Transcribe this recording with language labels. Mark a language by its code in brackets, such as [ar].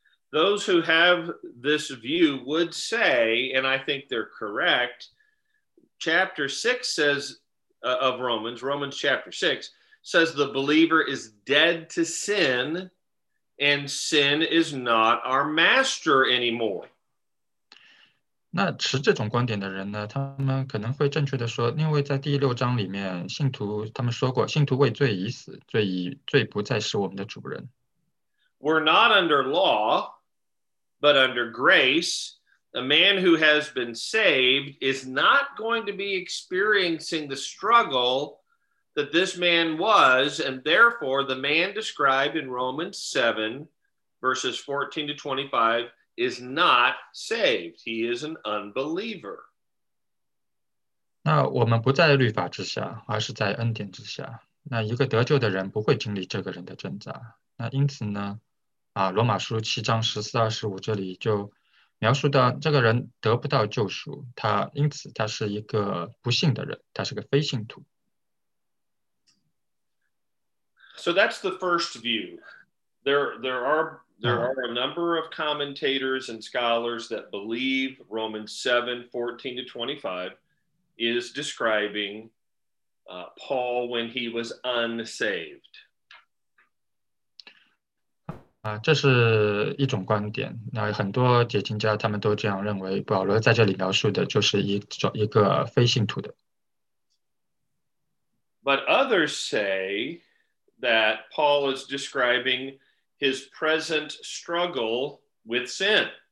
[en] Those who have this view would say, and I think they're correct, chapter 6 says, of Romans chapter 6, says the believer is dead to sin, and sin is not our master anymore. [zh] 那持这种观点的人呢，他们可能会正确的说，因为在第六章里面，信徒他们说过，信徒为罪已死，罪不再是我们的主人。 [en] We're not under law, but under grace, a man who has been saved is not going to be experiencing the struggle that this man was, and therefore the man described in Romans 7, verses 14 to 25, is not saved. He is an unbeliever. [zh] 那我们不在律法之下，而是在恩典之下。那一个得救的人不会经历这个人的挣扎。那因此呢，啊，罗马书七章十四二十五这里就描述到这个人得不到救赎，他因此他是一个不信的人，他是个非信徒。 [en] So that's the first view. There are a number of commentators and scholars that believe Romans 7, 14 to 25 is describing Paul when he was unsaved. [zh] 这是一种观点，那很多解经家他们都这样认为，保罗在这里描述的就是一个非信徒的。 [en] But others say that Paul is describing his present struggle with sin.